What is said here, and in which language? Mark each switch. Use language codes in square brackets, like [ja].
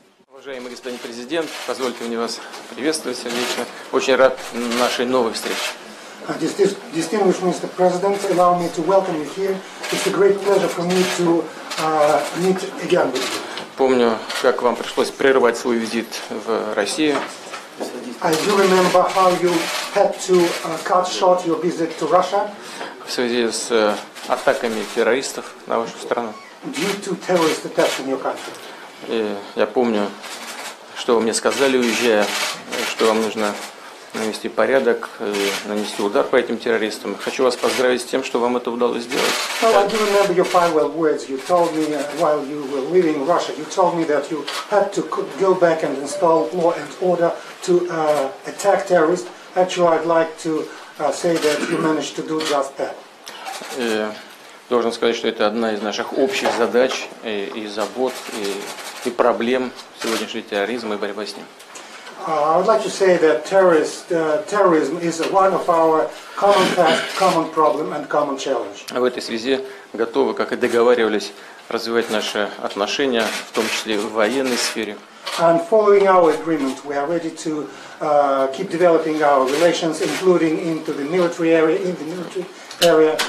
[ru] Уважаемый господин президент, позвольте мне вас приветствовать сердечно. Очень рад нашей новой встрече. [en] Distinguished Mr. President, allow me to welcome you here. It's a great pleasure for me to meet again with you. [ru] Помню, как вам пришлось прервать свой визит в Россию. [en] I do remember how you had to cut short your visit to Russia. [ru] В связи с атаками террористов на вашу страну. [en] Due to terrorist attacks in your country. [ru] И я помню, что вы мне сказали, уезжая, что вам нужно навести порядок и нанести удар по этим террористам. Хочу вас поздравить с тем, что вам это удалось сделать. [en] Well, I do remember your farewell words. You told me while you were leaving Russia, you told me that you had to go back and install law and order to attack terrorists. Actually, I'd like to say that you managed to do just that. [ru] И должен сказать, что это одна из наших общих задач и забот и проблем сегодняшнего терроризма и борьба с ним. [en] I would like to say that terrorism is one of our common task, common problem and common challenge. [ru] В этой связи готовы, как и договаривались, развивать наши отношения, в том числе в военной сфере. [en] And following our agreement, we are ready to keep developing our relations, including into the military area, in the military area.